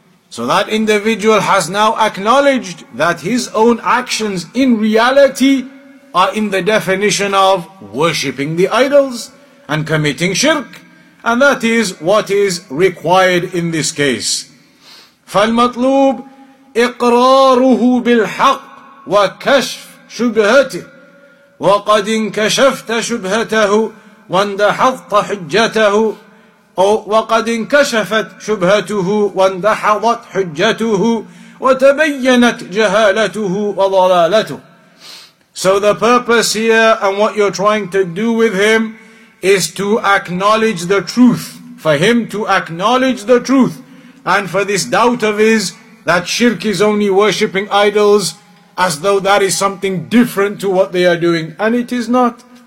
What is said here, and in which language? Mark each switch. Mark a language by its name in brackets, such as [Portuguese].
[English] So that individual has now acknowledged that his own actions in reality are in the definition of worshipping the idols and committing shirk. And that is what is required in this case. [Arabic] فالمطلوب إقراره بالحق وكشف شبهته وقد انكشفت شبهته واندحضت حجته وقد انكشفت شبهته واندحضت حجته وتبينت جهالته وضلالته. [English] So the purpose here and what you're trying to do with him is to acknowledge the truth, for him to acknowledge the truth, and for this doubt of his that shirk is only worshipping idols, as though that is something different to what they are doing, and it is not.